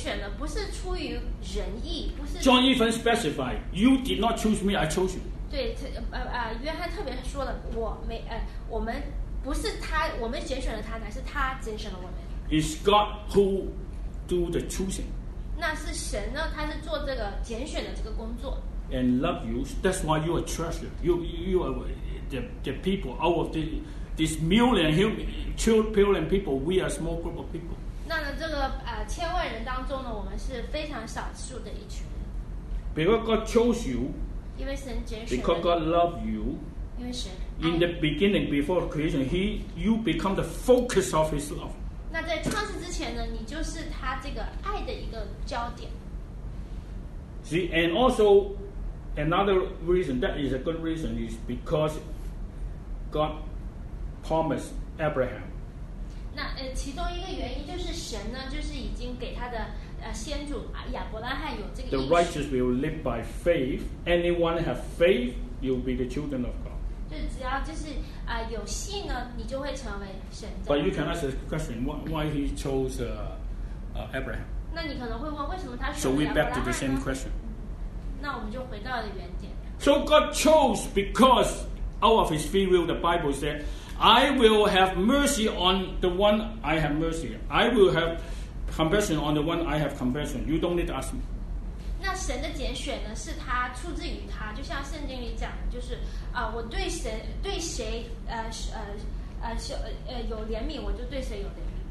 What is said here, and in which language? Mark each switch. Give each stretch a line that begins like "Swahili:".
Chinese: 那在这个罗马书第九章就讲了，就是我们被神拣选了，不是出于仁义，不是。John
English: even specified, you did not choose me, I chose you.
Chinese: 对，约翰特别说了，我们不是他，我们拣选了他，乃是他拣选了我们。
English: It's God who do the choosing.
Chinese: 那是神呢，他是做这个拣选的这个工作。
English: And love you, that's why you are treasured. You are the people out of the. This million human people, we are a small group of people.
Chinese: 那这个千万人当中呢，我们是非常少数的一群人。
English: Because God chose you. Because God loved you. In the beginning, before creation, you become the focus of His love.
Chinese: 那在创世之前呢，你就是他这个爱的一个焦点。
English: See, and also another reason that is a good reason is because God promised Abraham.
Chinese: 那其中一个原因就是神呢，就是已经给他的先祖亚伯拉罕有这个应许。
English: The righteous will live by faith. Anyone have faith, you'll be the children of God.
Chinese: 就只要就是有信呢，你就会成为神的。
English: But you can ask the question, why he chose Abraham?
Chinese: 那你可能会问，为什么他选亚伯拉罕呢？
English: So we back to the same question.
Chinese: 那我们就回到了原点。
English: So God chose because out of His free will, the Bible said, I will have mercy on the one I have mercy. I will have compassion on the one I have compassion. You don't need to ask me.
Chinese: 那神的拣选呢，是他出自于他，就像圣经里讲，就是我对神对谁有怜悯，我就对谁有怜悯。